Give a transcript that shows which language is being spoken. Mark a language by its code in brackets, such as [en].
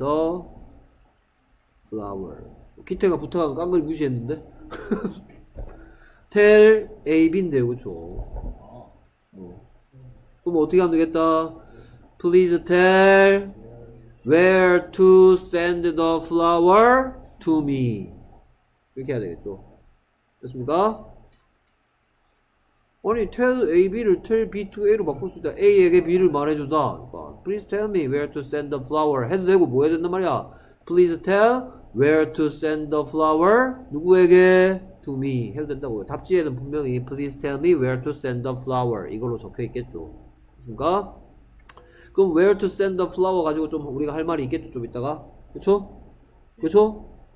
[en] please tell me where to send the flower. [ko] 기태가 부탁한 깡그리 무시했는데? tell A, B인데요, 그쵸? 그럼 어떻게 하면 되겠다? [en] Please tell where to send the flower to me. [ko] 이렇게 해야 되겠죠. 됐습니까? 아니, tell A를 tell B to A로 바꿀 수 있다. A에게 B를 말해주다. 그러니까, [en] please tell me where to send the flower. [ko] 해도 되고 뭐 해야 된단 말이야. [en] Please tell where to send the flower. [ko] 누구에게? [en] To me. [ko] 해도 된다고요. 답지에는 분명히 [en] please tell me where to send the flower. [ko] 이걸로 적혀 있겠죠. 됐습니까? 그럼 [en] where to send the flower [ko] 가지고 좀 우리가 할 말이 있겠죠. 좀 이따가. 그쵸? 그쵸?